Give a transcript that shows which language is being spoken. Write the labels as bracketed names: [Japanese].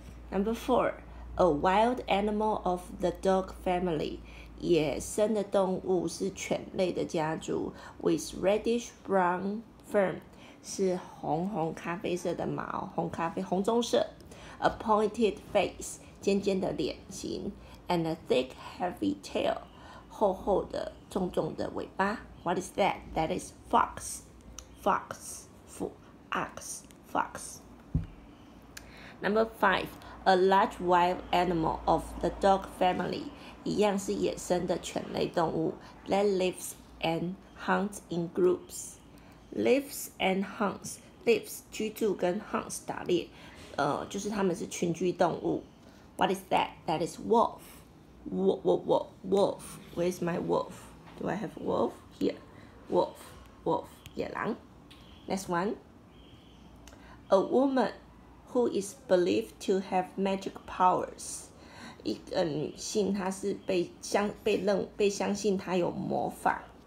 [English] Number four, a wild animal of the dog family. [Chinese] 野生的动物是犬类的家族。 [English] With reddish brown fur, [Chinese] 是红红咖啡色的毛，红咖啡，红棕色。 [English] A pointed face, [Chinese] 尖尖的脸型。 [English] And a thick, heavy tail. [Chinese] 厚厚的重重的尾巴 [English] What is that? That is fox Fox Fox Fox Number 5 A large wild animal of the dog family [Chinese] 一样是野生的犬类动物 [English] That lives and hunts in groups Lives and hunts Lives [Chinese] 居住跟 [English] hunts [Chinese] 打猎就是他们是群居动物 [English] What is that? That is wolfWolf. Where's my wolf? Do I have a wolf? Here. Wolf. [Chinese] 野狼. [English] Next one. A woman who is believed to have magic powers. [Chinese] 一个女性她是被相信她有魔法.